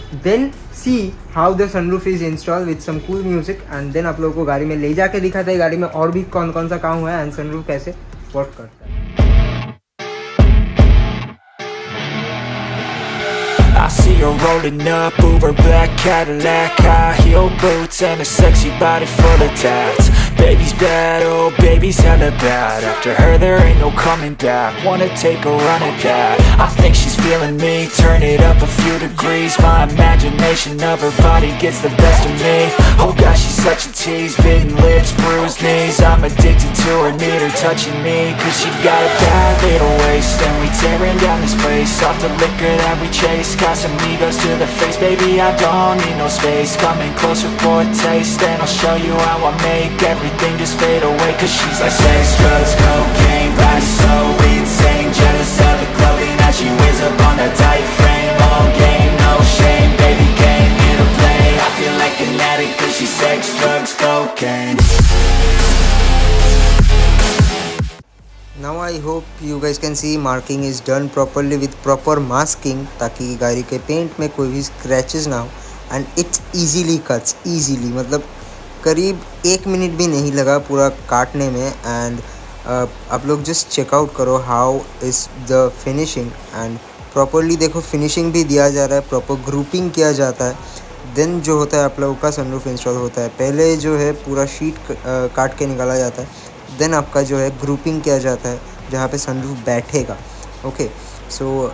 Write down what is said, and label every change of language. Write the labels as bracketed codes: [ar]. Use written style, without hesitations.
[en] then see how the sunroof is install with some cool music and [hi] then आप लोगों को गाड़ी में ले जाके दिखाते हैं गाड़ी में और भी कौन कौन सा काम हुआ है एंड सनरूफ कैसे वर्क करता है [en] See her rolling up, Uber black Cadillac, high heel boots and a sexy body full of tats. Baby's bad, oh baby's hella bad. After her there ain't no coming back. Wanna take a run at that? I think she's feeling me. Turn it up a few degrees. My imagination of her body gets the best of me. Oh gosh, she's such a tease. Bitten lips, bruised knees. I'm addicted to her, need her touching me. Cause she got a bad little waist and we tearing down this place. Off the liquor that we chase, got some egos to the face. Baby, I don't need no space. Coming closer for a taste, and I'll show you how I make everything. Everything just fade away cause she's like sex, drugs, cocaine, body so insane. Jealous of the clothing that she wears up on that tight frame. All game, no shame, baby came here to play. I feel like an addict cause she's sex, drugs, cocaine. Now I hope you guys can see marking is done properly with proper masking [hi] ताकि गाड़ी के paint में कोई भी scratches ना हो [en] and it easily cuts easily मतलब [hi] करीब एक मिनट भी नहीं लगा पूरा काटने में एंड आप लोग जस्ट चेकआउट करो [en] how is the finishing [hi] and properly देखो फिनिशिंग भी दिया जा रहा है प्रॉपर ग्रुपिंग किया जाता है देन जो होता है आप लोगों का सनरूफ इंस्टॉल होता है पहले जो है पूरा शीट काट के निकाला जाता है देन आपका जो है ग्रुपिंग किया जाता है जहाँ पे सनरूफ बैठेगा ओके सो